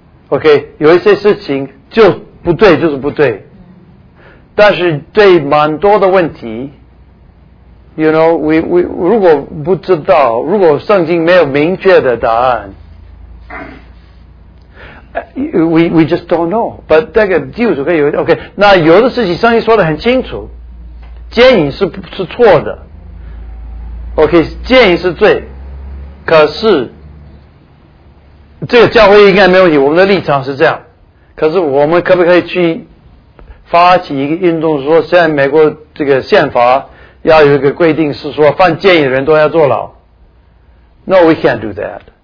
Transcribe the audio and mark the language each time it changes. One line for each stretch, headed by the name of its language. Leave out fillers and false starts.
English: OK，
Chinese: 有一些事情就不对，就是不对。但是对蛮多的问题 ，
English: you know， we
Chinese: 如果不知道，如果圣经没有明确的答案。
English: We just don't know, but
Chinese: 那个基督徒可以有
English: OK。
Chinese: 那有的事情圣经说得很清楚，奸淫是错的 ，
English: OK，
Chinese: 奸淫是罪。可是这个教会应该没问题，我们的立场是这样。可是我们可不可以去发起一个运动，说现在美国这个宪法要有一个规定，是说犯奸淫的人都要坐牢 ？
English: No, we can't do that.